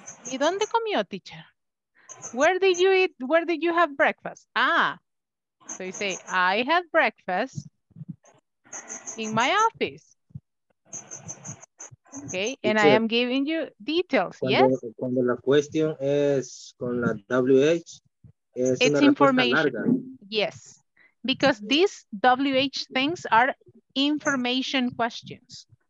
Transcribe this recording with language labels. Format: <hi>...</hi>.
<es>¿Y dónde comió,</es> <en>teacher? Where did you have breakfast? Ah, so you say, I had breakfast in my office. Okay, teacher, and I am giving you details.</en> <es>Cuando,</es> <en>yes?</en> <es>Cuando la cuestión es con la WH, es</es> <en>it's</en> <es>una</es> <en>information.</en> <es>Larga.</es> <en>Yes, because these WH things are information questions.</en>